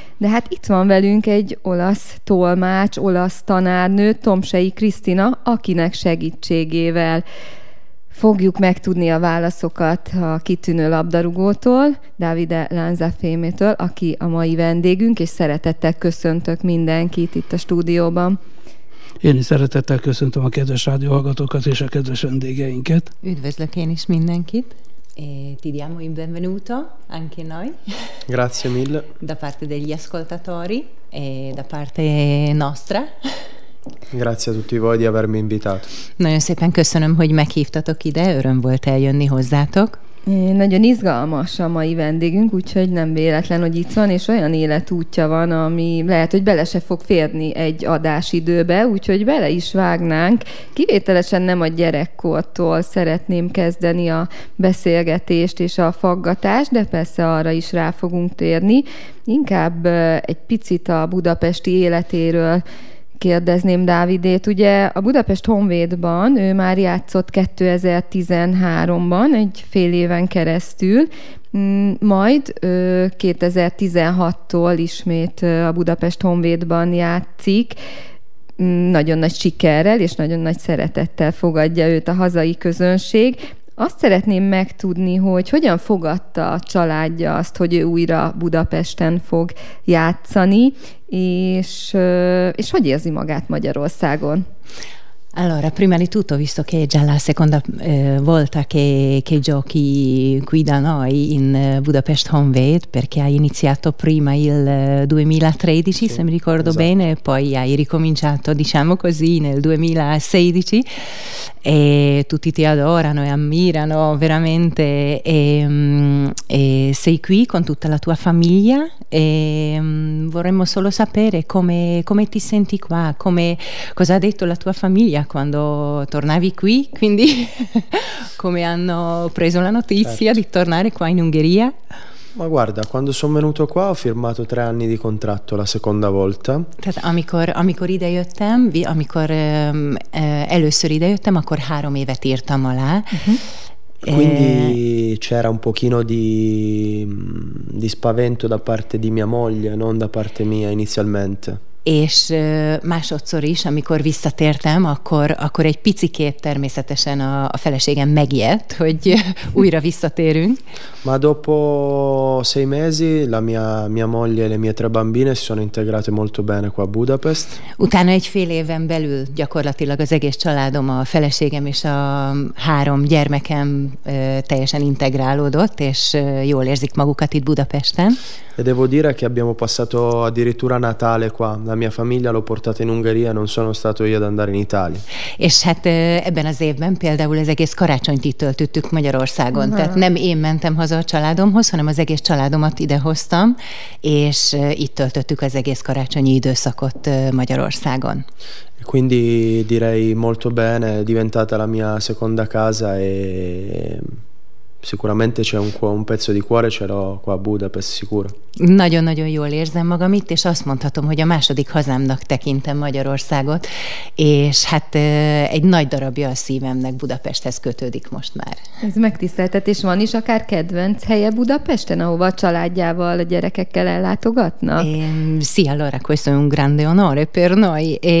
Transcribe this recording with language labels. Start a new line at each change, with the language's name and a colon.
Hungarian: De hát itt van velünk egy olasz tolmács, olasz tanárnő, Tomsei Krisztina, akinek segítségével fogjuk megtudni a válaszokat a kitűnő labdarúgótól, Davide Lanzafémétől, aki a mai vendégünk, és szeretettel köszöntök mindenkit itt a stúdióban. Én is szeretettel köszöntöm a kedves rádióhallgatókat és a kedves vendégeinket. Üdvözlök én is mindenkit.
Italian: Ti diamo il benvenuto anche noi. Grazie mille. Da parte degli ascoltatori e da parte nostra. Grazie a tutti voi di avermi invitato.
Hungarian: Nagyon szépen köszönöm, hogy meghívtatok ide, öröm volt eljönni hozzátok. Nagyon izgalmas a mai vendégünk, úgyhogy nem véletlen, hogy itt van, és olyan életútja van, ami lehet, hogy bele se fog férni egy adásidőbe, úgyhogy bele is vágnánk. Kivételesen nem a gyerekkortól szeretném kezdeni a beszélgetést és a faggatást, de persze arra is rá fogunk térni. Inkább egy picit a budapesti életéről kérdezném Dávidét. Ugye a Budapest Honvédban ő már játszott 2013-ban, egy fél éven keresztül, majd 2016-tól ismét a Budapest Honvédban játszik, nagyon nagy sikerrel és nagyon nagy szeretettel fogadja őt a hazai közönség. Azt szeretném megtudni, hogy hogyan fogadta a családja azt, hogy ő újra Budapesten fog játszani, és hogy érzi magát Magyarországon?
Italian: Allora, prima di tutto, visto che è già la seconda volta che giochi qui da noi in Budapest Honvéd, perché hai iniziato prima il 2013, sì, se mi ricordo esatto. Bene, e poi hai ricominciato, diciamo così, nel 2016, e tutti ti adorano e ammirano veramente, e sei qui con tutta la tua famiglia, e vorremmo solo sapere come ti senti qua, cosa ha detto la tua famiglia quando tornavi qui, quindi come hanno preso la notizia certo. Di tornare qua in Ungheria? Ma guarda, quando sono venuto qua ho firmato 3 anni di contratto la seconda volta.
Hungarian: Amikor idejöttem, amikor először idejöttem, akkor 3 évet írtam alá.
Italian: Quindi c'era un pochino di spavento da parte di mia moglie, non da parte mia inizialmente.
Hungarian: És másodszor is, amikor visszatértem, akkor egy picikét természetesen a feleségem megijedt, hogy újra visszatérünk.
Italian: Ma dopo 6 mesi la mia moglie e le mie 3 bambine si sono integrate molto bene qua a Budapest.
Hungarian: Utána egy fél éven belül gyakorlatilag az egész családom, a feleségem és a 3 gyermekem teljesen integrálódott, és jól érzik magukat itt Budapesten.
Italian: E devo dire che abbiamo passato addirittura Natale qua. La mia famiglia l'ho portata in Ungheria, non sono stato io ad andare in Italia.
Hungarian: És hát ebben az évben például az egész karácsonyt itt töltöttük Magyarországon. Uh-huh. Tehát nem én mentem haza a családomhoz, hanem az egész családomat idehoztam, és itt töltöttük az egész karácsonyi időszakot Magyarországon.
Italian: Quindi direi molto bene, è diventata la mia seconda casa e sicuramente c'è un pezzo di cuore c'ero qua a Budapest, sicuro.
Hungarian: Nagyon-nagyon jól érzem magam itt, és azt mondhatom, hogy a második hazámnak tekintem Magyarországot, és hát egy nagy darabja a szívemnek Budapesthez kötődik most már. Ez megtiszteltetés. Van is akár kedvenc helye Budapesten, ahova a családjával, a gyerekekkel ellátogatnak?
Italian: Sì, allora, questo è un grande onore per noi.